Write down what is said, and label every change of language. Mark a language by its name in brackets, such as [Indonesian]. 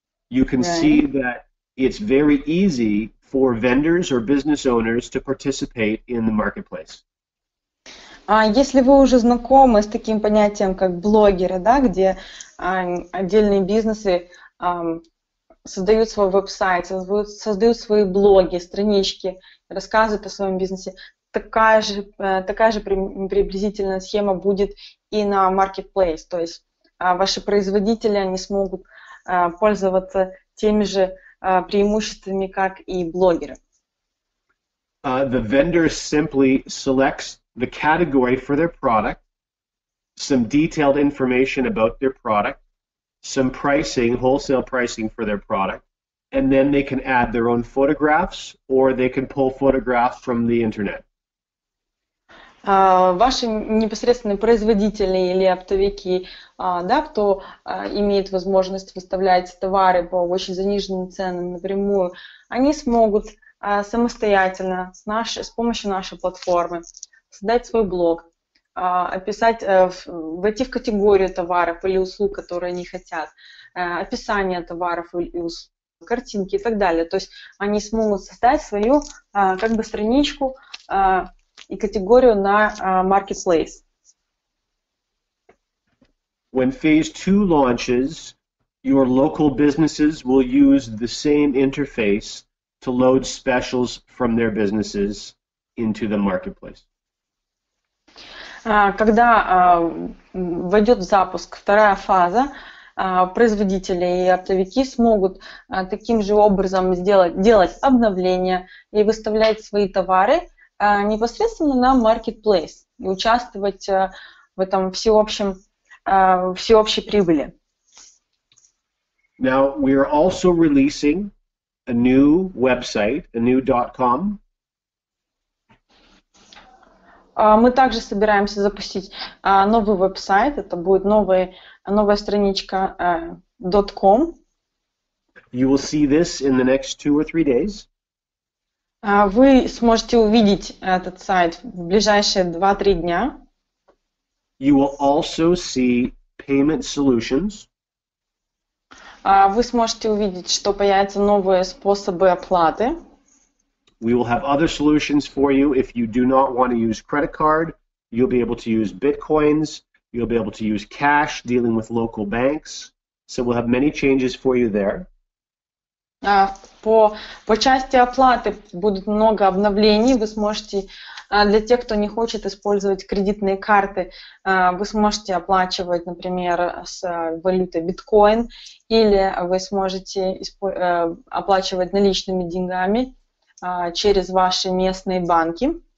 [English] You can see that it's very easy for vendors or business owners to participate in the marketplace. [Russian] А если вы уже знакомы с таким понятием, как блогеры, да, где отдельные бизнесы создают свой веб-сайт, создают свои блоги, странички, рассказывают о своем бизнесе, такая же приблизительная схема будет и на marketplace, то есть ваши производители, они смогут пользоваться теми же преимуществами, как и блогеры. [English] The vendor simply selects the category for their product, some detailed information about their product, some pricing, wholesale pricing for their product, and then they can add their own photographs or they can pull photographs from the internet. [Russian] Ваши непосредственные производители или оптовики, да, кто имеет возможность выставлять товары по очень заниженным ценам напрямую, они смогут самостоятельно с помощью нашей платформы создать свой блог, описать, войти в категорию товаров или услуг, которые они хотят, описание товаров или услуг, картинки и так далее. То есть они смогут создать свою как бы страничку и категорию на marketplace. [English] When phase 2 launches, your local businesses will use the same interface to load specials from their businesses into the marketplace. [Russian] Когда войдет в запуск вторая фаза, производители и оптовики смогут таким же образом делать обновления и выставлять свои товары непосредственно на marketplace и участвовать в этом всеобщей прибыли. [English] Now we are also releasing a new website, a new .com. [Russian] Мы также собираемся запустить новый веб-сайт. Это будет новая страничка .com. [English] You will see this in the next 2 or 3 days. [Russian] Вы сможете увидеть этот сайт в ближайшие 2-3 дня. [English] You will also see payment solutions. [Russian] Вы сможете увидеть, что появятся новые способы оплаты. [English] We will have other solutions for you. If you do not want to use credit card, you'll be able to use bitcoins, you'll be able to use cash, dealing with local banks. So we'll have many changes for you there. [Russian] По части оплаты будет много обновлений. Вы сможете, для тех, кто не хочет использовать кредитные карты, вы сможете оплачивать, например, с валютой биткоин, или вы сможете оплачивать наличными деньгами через ваши местные банки.